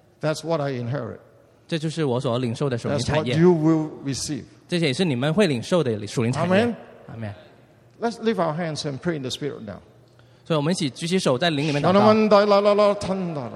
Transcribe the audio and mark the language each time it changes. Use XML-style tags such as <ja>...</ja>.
<en>That's what I inherit，</en> <zh>这就是我所领受的属灵产业。</zh> <en>That's what you will receive，</en> <zh>这也是你们会领受的属灵产业。</zh> <en>Amen, Amen. Let's lift our hands and pray in the Spirit now。</en> <zh>所以我们一起举起手，在灵里面祷告。</zh>